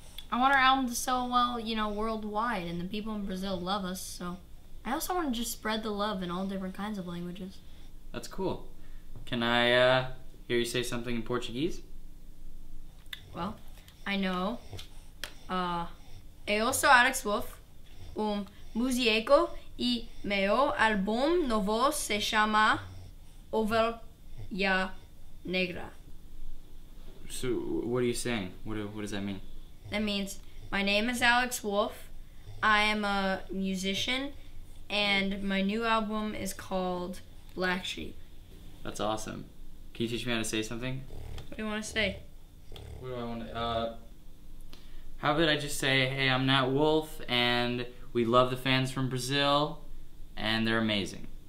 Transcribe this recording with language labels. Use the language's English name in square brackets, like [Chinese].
[English] I want our album to sell well, you know, worldwide, and the people in Brazil love us, so. I also want to just spread the love in all different kinds of languages. That's cool. Can I hear you say something in Portuguese? Well, I know. [Portuguese] Eu sou Alex Wolff, músico, e meu álbum novo se chama Ovelha Negra. [English] So, what are you saying? What does that mean? That means, my name is Alex Wolff, I am a musician, and my new album is called Black Sheep. That's awesome. Can you teach me how to say something? What do you want to say? What do I want to, how about I just say, hey, I'm Nat Wolff, and we love the fans from Brazil, and they're amazing.